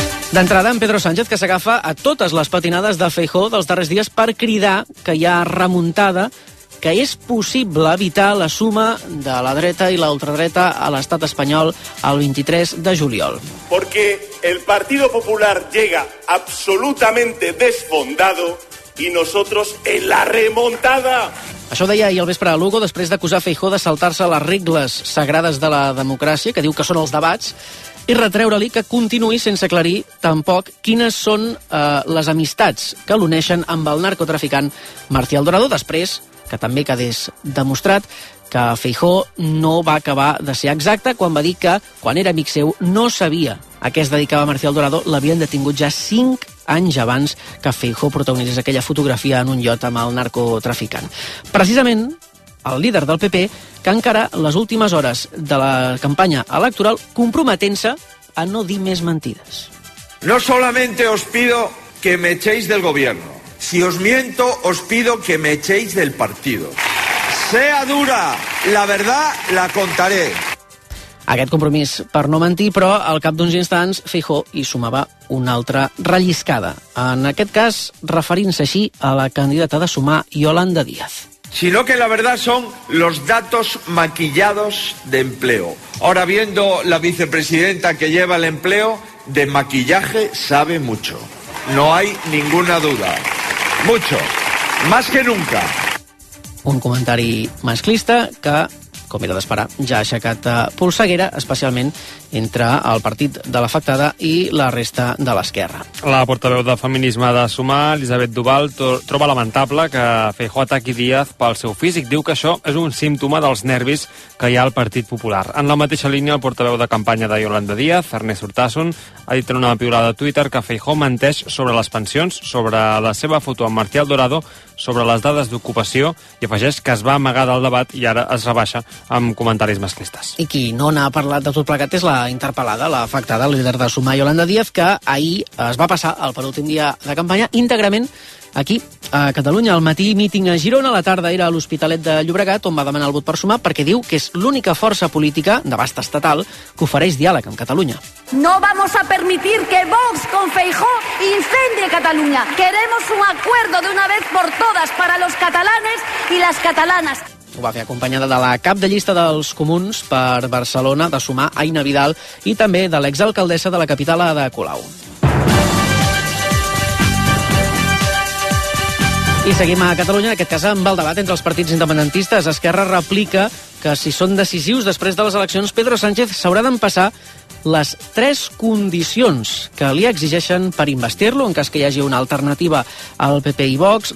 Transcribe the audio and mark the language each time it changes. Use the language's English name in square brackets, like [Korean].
[Catalan] D'entrada, en Pedro Sánchez, que s'agafa a totes les patinades de Feijóo dels darrers dies per cridar que hi ha remuntada, que és possible evitar la suma de la dreta i l'ultradreta a l'estat espanyol el 23 de juliol. [Spanish] Porque el Partido Popular llega absolutamente desfondado y nosotros en la remontada. [Catalan] Això deia ahir al vespre a Lugo, després d'acusar Feijóo de saltar-se les regles sagrades de la democràcia, que diu que són els debats, i retreure-li que continuï sense aclarir tampoc quines són les amistats que l'uneixen amb el narcotraficant Marcial Dorado, després que també quedés demostrat que Feijóo no va acabar de ser exacte quan va dir que, quan era amic seu, no sabia a què es dedicava Marcial Dorado. L'havien detingut ja 5 anys abans que Feijóo protagonitzés aquella fotografia en un iot amb el narcotraficant. Precisament, el líder del PP, que encara les últimes hores de la campanya electoral comprometent-se a no dir més mentides. [Spanish] No solamente os pido que me echéis del gobierno. Si os miento, os pido que me echéis del partido. Sea dura, la verdad la contaré. [Catalan] Aquest compromís per no mentir, però al cap d'uns instants Feijóo hi sumava una altra relliscada. En aquest cas, referint-se així a la candidata de Sumar, Yolanda Díaz. [Spanish] Sino que la verdad son los datos maquillados de empleo. Ahora viendo la vicepresidenta que lleva el empleo, de maquillaje sabe mucho. No hay ninguna duda. Mucho. Más que nunca. [Catalan] Un comentari masclista que, com era d'esperar, ja ha aixecat polseguera, especialment entre el partit de l'afectada i la resta de l'esquerra. La portaveu de Feminisme de Sumar, Elisabet Duval, troba lamentable que Feijóo ataqui Díaz pel seu físic. Diu que això és un símptoma dels nervis que hi ha al Partit Popular. En la mateixa línia, el portaveu de campanya de Yolanda Díaz, Ernest Urtasun, ha dit en una piulada a Twitter que Feijóo menteix sobre les pensions, sobre la seva foto amb Martí Aldorado, sobre les dades d'ocupació, i afegeix que es va amagar del debat i ara es rebaixa amb comentaris masclistes. I qui no n'ha parlat de tot plegat és la interpel·lada, l'afectada, el líder de Sumar, Yolanda Díaz, que ahir es va passar el penúltim dia de campanya íntegrament aquí a Catalunya. Al matí, míting a Girona, a la tarda era a l'Hospitalet de Llobregat, on va demanar el vot per Sumar, perquè diu que és l'única força política d'abast estatal que ofereix diàleg amb Catalunya. [Spanish] No vamos a permitir que Vox con Feijóo incendie Catalunya. Queremos un acuerdo de una vez por todas para los catalanes y las catalanas. [Catalan] Ho va fer acompanyada de la cap de llista dels comuns per Barcelona, de Sumar, Aina Vidal, i també de l'exalcaldessa de la capital, Ada Colau. I seguim a Catalunya, en aquest cas amb el debat entre els partits independentistes. Esquerra replica que si són decisius després de les eleccions, Pedro Sánchez s'haurà d'empassar les tres condicions que li exigeixen per investir-lo en cas que hi hagi una alternativa al PP i Vox.